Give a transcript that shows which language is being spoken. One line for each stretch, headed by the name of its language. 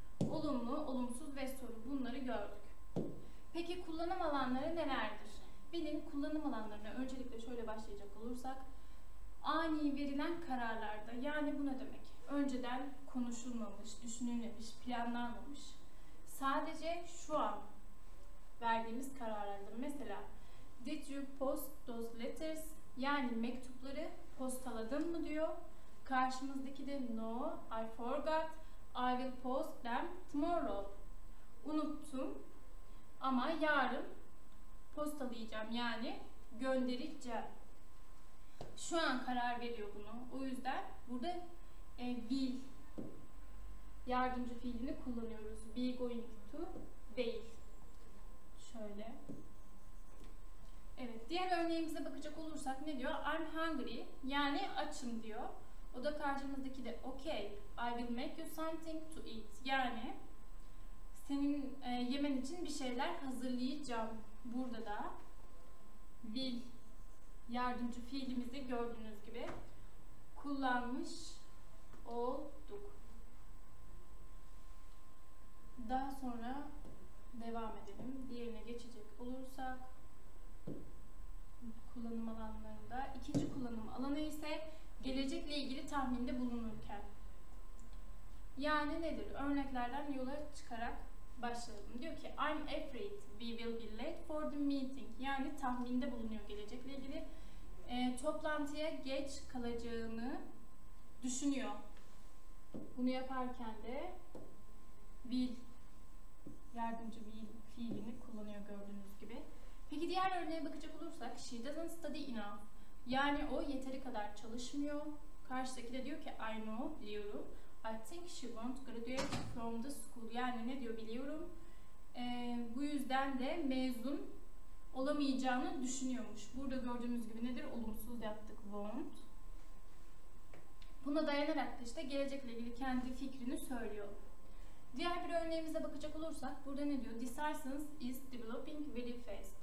Turkish: Olumlu, olumsuz ve soru bunları gördük. Peki kullanım alanları nelerdir? Benim kullanım alanlarına öncelikle şöyle başlayacak olursak ani verilen kararlarda yani bu ne demek? Önceden konuşulmamış, düşünülmemiş, planlanmamış. Sadece şu an verdiğimiz kararlardır. Mesela,
English: did you post those letters?
Turkish: Yani mektupları postaladın mı diyor. Karşımızdaki de
English: no, I forgot. I will post them tomorrow.
Turkish: Unuttum ama yarın postalayacağım. Yani göndereceğim. Şu an karar veriyor bunu. O yüzden burada will yardımcı fiilini kullanıyoruz. Be going to değil. Şöyle. Evet. Diğer örneğimize bakacak olursak ne diyor?
English: I'm hungry.
Turkish: Yani açım diyor. O da karşımızdaki de okay.
English: I will make you something to eat.
Turkish: Yani senin yemen için bir şeyler hazırlayacağım. Burada da will yardımcı fiilimizi gördüğünüz gibi kullanmış olduk. Daha sonra devam edelim. Diğerine geçecek olursak kullanım alanlarında ikinci kullanım alanı ise gelecekle ilgili tahminde bulunurken. Yani nedir? Örneklerden yola çıkarak başlayalım. Diyor ki,
English: I'm afraid we will be late for the meeting.
Turkish: Yani tahminde bulunuyor gelecekle ilgili. Toplantıya geç kalacağını düşünüyor. Bunu yaparken de will, yardımcı will fiilini kullanıyor gördüğünüz gibi. Peki diğer örneğe bakacak olursak,
English: she doesn't study enough.
Turkish: Yani o yeteri kadar çalışmıyor. Karşıdaki de diyor ki,
English: I know,
Turkish: biliyorum.
English: I think she won't graduate from the school.
Turkish: Yani ne diyor biliyorum. Bu yüzden de mezun olamayacağını düşünüyormuş. Burada gördüğümüz gibi nedir? Olumsuz yaptık, won't. Buna dayanarak da işte gelecekle ilgili kendi fikrini söylüyor. Diğer bir örneğimize bakacak olursak, burada ne diyor?
English: The science is developing very fast.